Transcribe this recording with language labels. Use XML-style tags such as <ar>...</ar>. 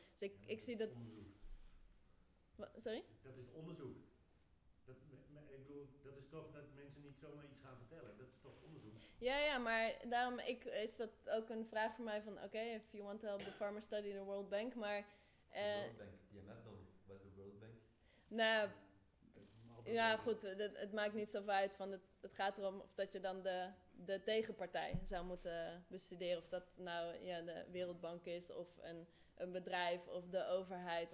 <nl>Dus ik zie dat. Sorry? Dat is onderzoek. Dat is toch dat mensen niet zomaar iets gaan vertellen. Dat is toch onderzoek. Ja, maar daarom is dat ook een vraag voor mij van, oké,</nl> <en>if you want to help the farmer study the World Bank,</en> <nl>maar</nl> <en>The World Bank, the IMF, was the World Bank?</en> <nl>Nou, ja, goed, het maakt niet zoveel uit. Van het gaat erom of dat je dan de tegenpartij zou moeten bestuderen. Of dat nou de Wereldbank is of een bedrijf of de overheid.</nl>